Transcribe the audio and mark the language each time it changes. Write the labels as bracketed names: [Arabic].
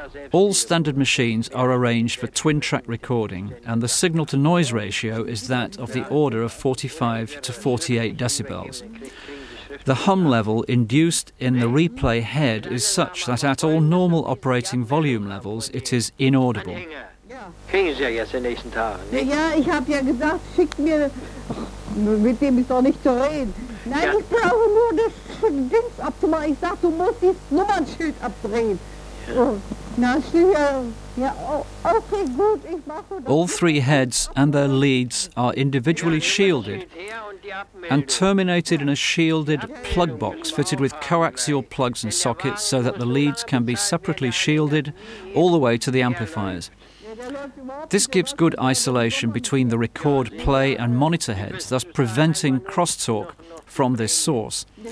[English] All standard machines are arranged for twin track recording, and the signal to noise ratio is that of the order of 45 to 48 decibels. The hum level induced in the replay head is such that at all normal operating volume levels it is inaudible. [German] Kriegen Sie ja jetzt den nächsten Tag, ne? Ja, ich habe ja gesagt, schick mir... Mit dem ist doch nicht zu reden. Nein, ja. Ich brauche nur das Ding abzumachen. Ich sag, du musst das Nummernschild abdrehen. Na, ja. Ja, okay, gut, ich mache das. [English] All three heads and their leads are individually shielded and terminated in a shielded plug box fitted with coaxial plugs and sockets so that the leads can be separately shielded all the way to the amplifiers. This gives good isolation between the record, play and monitor heads, thus preventing crosstalk from this source.